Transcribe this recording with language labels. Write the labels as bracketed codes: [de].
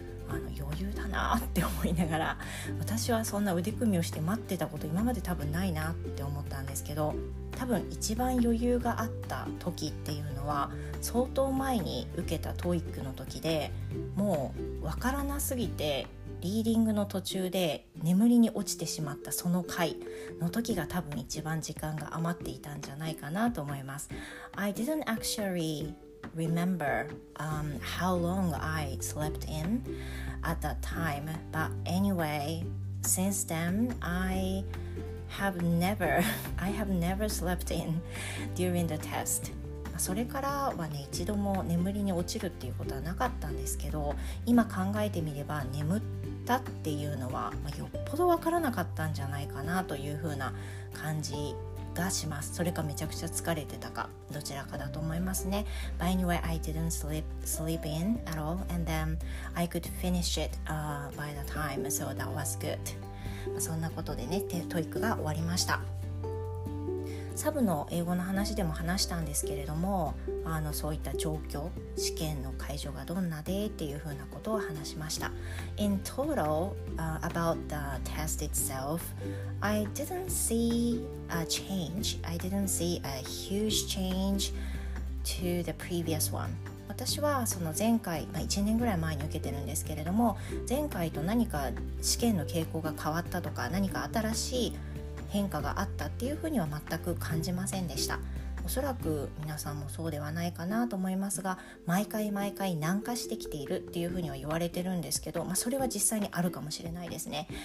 [ja] あの余裕だなって思いながら、私はそんな腕組みをして待ってたこと今まで多分ないなって思ったんですけど、多分一番余裕があった時っていうのは相当前に受けたTOEICの時で、もうわからなすぎてリーディングの途中で眠りに落ちてしまった、その回の時が多分一番時間が余っていたんじゃないかなと思います。 [en] I didn't actuallyremember how long I slept in at that time, but anyway, since then I have never slept in during the test. [ja] それからはね、一度も眠りに落ちるっていうことはなかったんですけど、今考えてみれば眠ったっていうのは、まあ、よっぽどわからなかったんじゃないかなというふうな感じがします。それかめちゃくちゃ疲れてたか、どちらかだと思いますね。 [en] By anyway, I didn't sleep in at all, and then I could finish it by the time, so that was good. [ja] そんなことでね、TOEIC が終わりました。サブの英語の話でも話したんですけれども、あのそういった状況、試験の会場がどんなでっていうふうなことを話しました。 [en] In total, about the test itself, I didn't see a change. I didn't see a huge change to the previous one. [ja] 私はその前回、まあ、1年ぐらい前に受けてるんですけれども、前回と何か試験の傾向が変わったとか、何か新しい変化があったっていうふうには全く感じませんでした。おそらく皆さんもそうではないかなと思いますが、毎回毎回難化してきているっていうふうには言われてるんですけど、まあ、それは実際にあるかもしれないですね。